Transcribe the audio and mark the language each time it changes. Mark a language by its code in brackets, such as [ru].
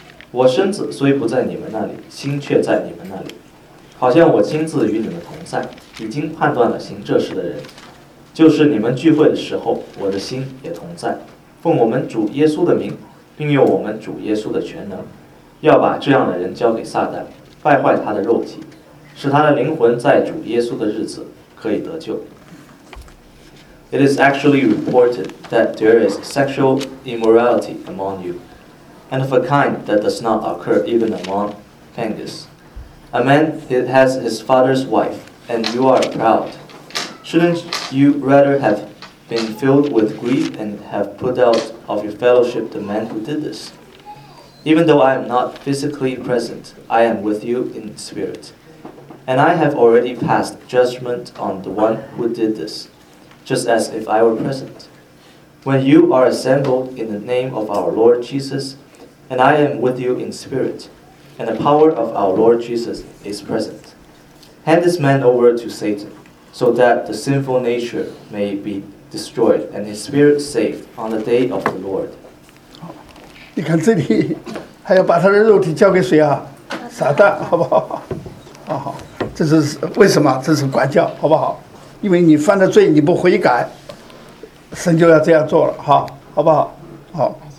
[zh] 我身子虽不在你们那里，心却在你们那里，好像我亲自与你们同在，已经判断了行这事的人，就是你们聚会的时候，我的心也同在。奉我们主耶稣的名，并用我们主耶稣的全能，要把这样的人交给撒旦，败坏他的肉体，使他的灵魂在主耶稣的日子可以得救。 [en] It is actually reported that there is sexual immorality among you, and of a kind that does not occur even among pagans. A man has his father's wife, and you are proud. Shouldn't you rather have been filled with grief and have put out of your fellowship the man who did this? Even though I am not physically present, I am with you in spirit, and I have already passed judgment on the one who did this. Just as if I were present. When you are assembled in the name of our Lord Jesus, and I am with you in spirit, and the power of our Lord Jesus is present, hand this man over to Satan, so that the sinful nature may be destroyed and his spirit saved on the day of the Lord. [zh] 你看这里还要把他的肉体交给谁啊？撒旦，好不好？这是为什么？这是管教，好不好？因为你犯了罪，你不悔改，神就要这样做了，好，好不好？好。